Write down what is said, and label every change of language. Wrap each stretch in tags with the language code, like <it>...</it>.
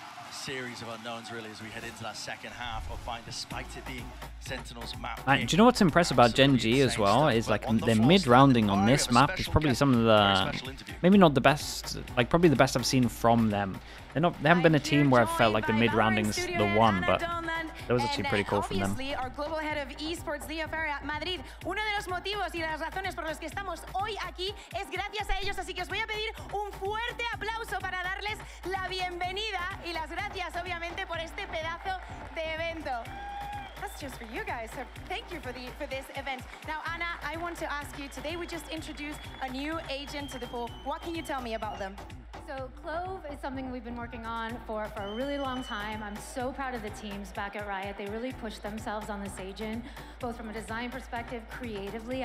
<en>A series of unknowns, really, as we head into that second half of fight, despite it being Sentinel's map. Man, do you know what's impressive about GenG as well? Is like their mid-rounding on this map is probably some of the. Maybe not the best. Like, probably the best I've seen from them. They haven't been a team where I've felt like the mid-rounding's the one, but. That was actually pretty cool from them. Our global head of esports, Leo Ferrer, at Madrid.</en> <es>Uno de los motivos y las razones por los que estamos hoy aquí es gracias a ellos. Así que os voy a pedir un fuerte aplauso para darles la bienvenida y las gracias, obviamente, por este pedazo de evento.</es> <en>That's just for you guys. So thank you for this event. Now, Anna, I want to ask you. Today we just introduced a new agent to the pool. What can you tell me about them? So Clove is something we've been working on for a really long time. I'm so proud of the teams back at Riot. They really pushed themselves on this agent, both from a design perspective, creatively.</en>